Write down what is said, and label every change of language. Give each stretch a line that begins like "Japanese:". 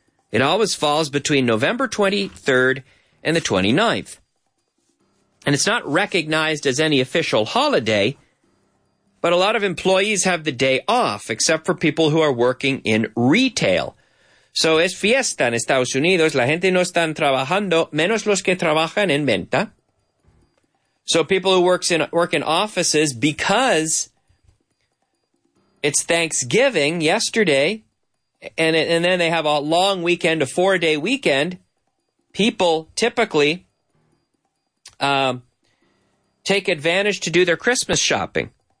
English: It always falls between November 23rd and the 29th. And it's not recognized as any official holiday, but a lot of employees have the day off, except for people who are working in retail.
Spanish: So es fiesta en Estados Unidos. La gente no están trabajando, menos los que trabajan en venta.
English: So people who work in offices, because it's Thanksgiving yesterday, and then they have a long weekend, a four-day weekend, people typically take advantage to do their Christmas shopping.